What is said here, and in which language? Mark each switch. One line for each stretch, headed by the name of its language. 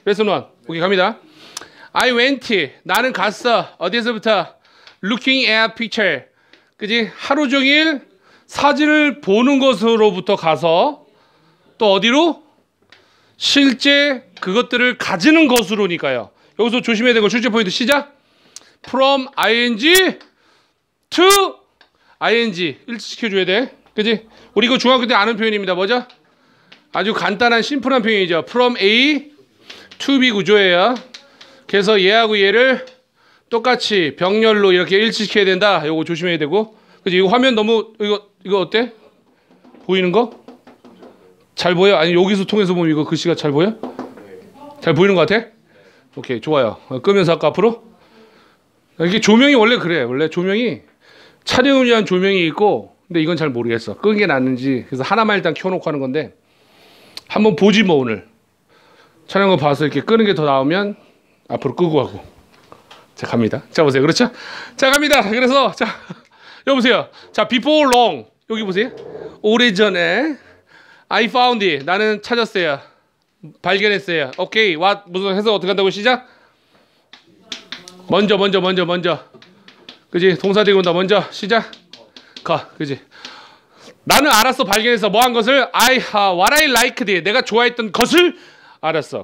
Korean: 레슨 1. 오케이 갑니다.
English: I went.
Korean: 나는 갔어. 어디서부터?
English: Looking at picture. 그지?
Korean: 하루 종일 사진을 보는 것으로부터 가서 또 어디로? 실제 그것들을 가지는 것으로니까요. 여기서 조심해야 되는 거 출제 포인트 시작.
English: From ing to ing
Korean: 일치시켜줘야 돼. 그지? 우리 이거 중학교 때 아는 표현입니다. 뭐죠? 아주 간단한 심플한 표현이죠.
English: From A to B 구조예요.
Korean: 그래서 얘하고 얘를 똑같이 병렬로 이렇게 일치시켜야 된다. 이거 조심해야 되고. 그지? 이거 화면 너무 이거 어때? 보이는 거? 잘 보여? 아니 여기서 통해서 보면 이거 글씨가 잘 보여? 잘 보이는 것 같아? 오케이 좋아요. 끄면서 할까 앞으로? 이게 조명이 원래 그래. 원래 조명이 촬영을 위한 조명이 있고 근데 이건 잘 모르겠어. 끈 게 낫는지. 그래서 하나만 일단 켜놓고 하는 건데 한번 보지 뭐 오늘. 촬영을 봐서 이렇게 끄는 게 더 나오면 앞으로 끄고 가고. 자 갑니다. 자 보세요. 그렇죠? 자 갑니다. 그래서 자 여기 보세요. 자
English: before long
Korean: 여기 보세요.
English: 오래전에 I found it.
Korean: 나는 찾았어요. 발견했어요. 오케이. What? 무슨 해석 어떻게 한다고 시작? 먼저. 그지? 동사 되고 온다. 먼저. 시작. 가. 그지? 나는 알았어. 발견해서 뭐 한 것을?
English: What I liked it.
Korean: 내가 좋아했던 것을 알았어.